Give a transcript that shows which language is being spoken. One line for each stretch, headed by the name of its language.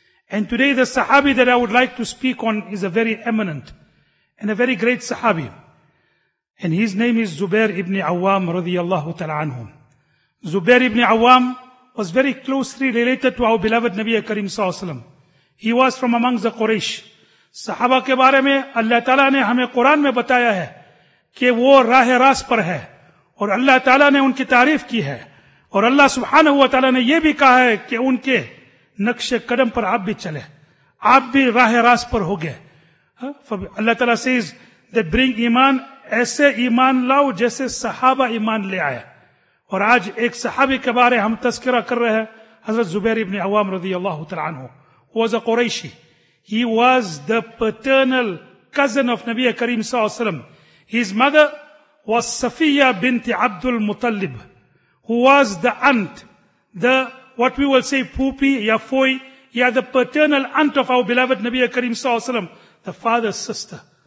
English: And today the Sahabi that I would like to speak on is a very eminent and a very great Sahabi. And his name is Zubair ibn Awam radiallahu ta'ala anhu. Zubair ibn Awam was very closely related to our beloved Nabi Karim sallallahu alaihi wasallam. He was from among the Quraysh.
Urdu: Sahaba ke bare mein Allah ta'ala ne hame Quran mein bataya hai کہ وہ راہ راست پر ہے، اور اللہ تعالیٰ نے ان کی تعریف کی ہے، اور اللہ سبحانہ و تعالیٰ نے یہ بھی کہا ہے کہ ان کے نقش قدم پر آپ بھی چلے، آپ بھی راہ راست پر ہو گئے. اللہ تعالیٰ
English: says that bring
Urdu: ایمان، ایسے ایمان لاؤ جیسے صحابہ ایمان لے آئے. اور آج ایک صحابی کے بارے ہم تذکرہ کر رہے ہیں، حضرت زبیر ابن عوام رضی اللہ تعالیٰ عنہ.
English: was a قریشی، he was the paternal cousin of نبی کریم صلی اللہ علیہ وسلم. His mother was Safiya binti Abdul Muttalib, who was the aunt, the what we will say Pupi, Yafoi, yeah, the paternal aunt of our beloved Nabi Karim Sallallahu Alaihi Wasallam, the father's sister.